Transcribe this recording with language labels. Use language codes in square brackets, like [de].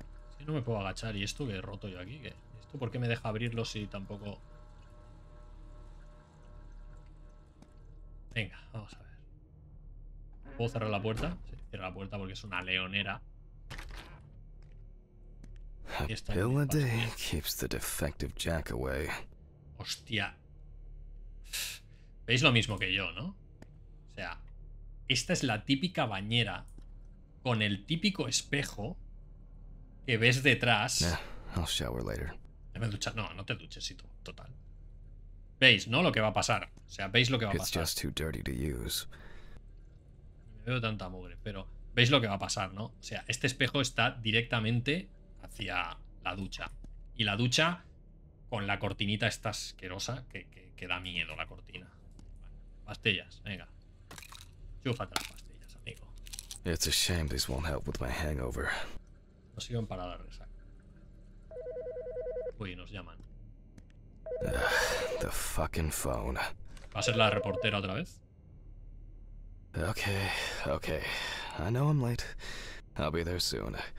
[es] Es que no me puedo agachar y esto que he roto yo aquí, ¿qué? ¿Esto por qué me deja abrirlo si tampoco? Venga, vamos a ver. ¿Puedo cerrar la puerta? Sí, cierra la puerta porque es una leonera. [en] A pill a day keeps the defective Jack away. [es] Hostia. Veis lo mismo que yo, ¿no? O sea, esta es la típica bañera con el típico espejo que ves detrás. [en] I'll shower later. [es] Déjame duchar. No, no te duches, sí, total. ¿Veis, no? Lo que va a pasar. O sea, ¿veis lo que va a pasar? [en] It's just too dirty to use. [es] Me veo tanta mugre, pero ¿veis lo que va a pasar, no? O sea, este espejo está directamente hacia la ducha. Y la ducha con la cortinita esta asquerosa que da miedo la cortina. Pastillas, venga. Chúfate las pastillas, amigo. [en] It's a shame this won't help with my hangover. [es] No sirven para la resaca. Uy, nos llaman. [en] The fucking phone. [es] ¿Va a ser la reportera otra vez? [en] Okay, okay. I know I'm late. I'll be there soon.